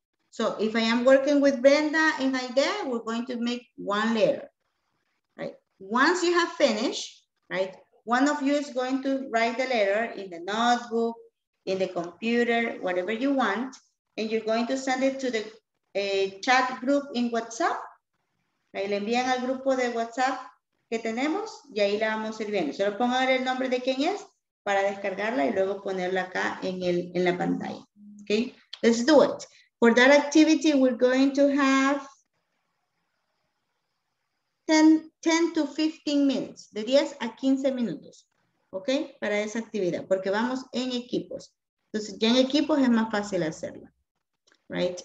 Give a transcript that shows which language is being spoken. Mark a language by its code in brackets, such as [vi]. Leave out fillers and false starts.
[en] So if I am working with Brenda and Aidea, we're going to make one letter, right? Once you have finished, right? One of you is going to write the letter in the notebook, in the computer, whatever you want, and you're going to send it to the chat group in WhatsApp. [es] Ahí le envían al grupo de WhatsApp que tenemos y ahí la vamos a ir viendo. Solo pongo el nombre de quién es para descargarla y luego ponerla acá en la pantalla, okay? [en] Let's do it. For that activity, we're going to have 10 to 15 minutes, [es] de 10 a 15 minutos, [en] okay? [es] Para esa actividad, porque vamos en equipos. Entonces, ya en equipos es más fácil hacerla, right?